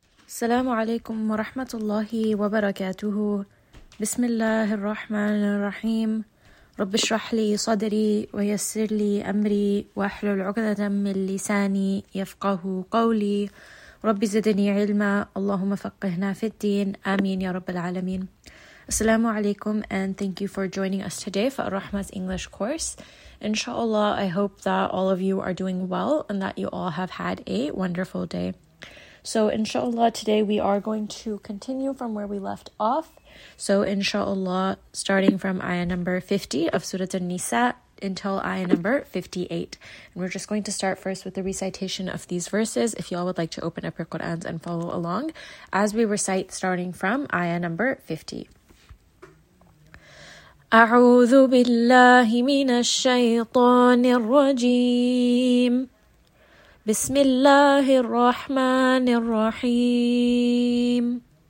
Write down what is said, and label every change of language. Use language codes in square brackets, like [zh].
[ar] السلام عليكم ورحمة الله وبركاته. بسم الله الرحمن الرحيم. رب اشرح لي صدري ويسر لي أمري واحلل عقدة من لساني يفقه قولي. رب زدني علما، اللهم فقهنا في الدين، آمين يا رب العالمين. السلام عليكم [en] and thank you for joining us today for Rahma's English course. Inshallah, I hope that all of you are doing well and that you all have had a wonderful day. So inshallah, today we are going to continue from where we left off. So inshallah, starting from ayah number 50 of Surah An-Nisa until ayah number 58. And we're just going to start first with the recitation of these verses. If y'all would like to open up your Qur'ans and follow along as we recite starting from ayah number 50. [ar] أعوذ بالله من الشيطان الرجيم بسم الله الرحمن الرحيم